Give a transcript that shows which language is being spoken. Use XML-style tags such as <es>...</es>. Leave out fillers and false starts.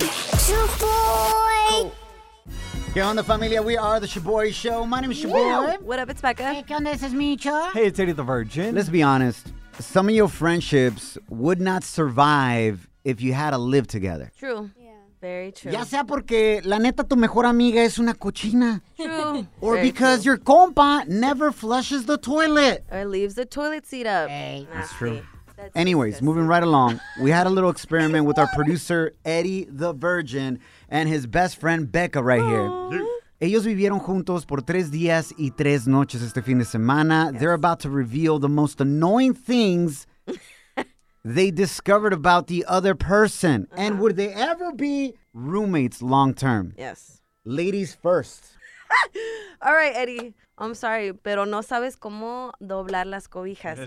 <en>Shoboy. Here on the Familia, we are the Shoboy Show. My name is Shoboy. Yeah. What up, it's Becca. Hey, can this is Micho. Hey, it's Eddie the Virgin. Let's be honest. Some of your friendships would not survive if you had to live together. True. Very true.</en> <es>Ya sea porque la neta tu mejor amiga es una cochina.</es> <en>True. Or because your compa never flushes the toilet. Or leaves the toilet seat up. Hey. That's true. Anyways, moving right along, we had a little experiment with our producer, Eddie the Virgin, and his best friend, Becca, here.</en> <es>Ellos vivieron juntos por 3 días y 3 noches este fin de semana.</es> <en>Yes. They're about to reveal the most annoying things they discovered about the other person? Uh-huh. And would they ever be roommates long term? Yes. Ladies first. All right, Eddie. I'm sorry,</en> <es>pero no sabes cómo doblar las cobijas.</es>